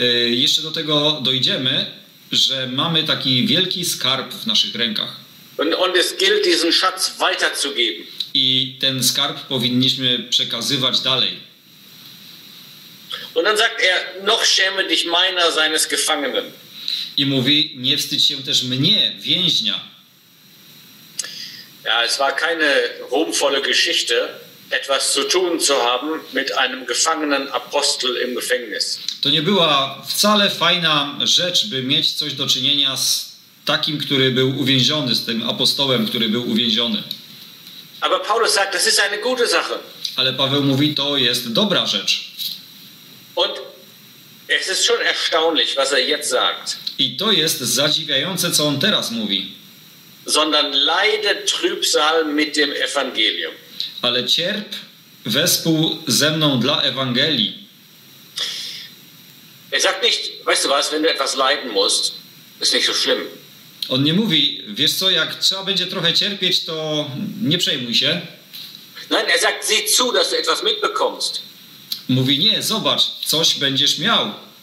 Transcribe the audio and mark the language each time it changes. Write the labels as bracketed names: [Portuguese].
[Polish] Jeszcze do tego dojdziemy, że mamy taki wielki skarb w naszych rękach. [German] Und es gilt, diesen Schatz weiterzugeben. [Polish] I ten skarb powinniśmy przekazywać dalej. [German] Und dann sagt er, noch schäme dich meiner seines Gefangenen. [Polish] I mówi, nie wstydź się też mnie, więźnia. [German] Ja, es war keine ruhmvolle Geschichte, etwas zu tun zu haben mit einem gefangenen Apostel im Gefängnis. [Polish] To nie była wcale fajna rzecz, by mieć coś do czynienia z takim, który był uwięziony, z tym apostołem, który był uwięziony. [German] Aber Paulus sagt, das ist eine gute Sache. [Polish] Ale Paweł mówi, to jest dobra rzecz. [German] Und es ist schon erstaunlich, was er jetzt sagt. [Polish] I to jest zadziwiające, co on teraz mówi. [German] Sondern leide Trübsal mit dem Evangelium. [Polish] Ale cierp wespół ze mną dla Ewangelii. [German] sagt nicht, weißt du was, wenn du etwas leiden musst, ist nicht so schlimm. [Polish] On nie mówi, wiesz co, jak trzeba będzie trochę cierpieć, to nie przejmuj się. [German] Nein, er sagt, sieh zu, dass du etwas mitbekommst. [Polish] Mówi, nie, zobacz, coś będziesz miał.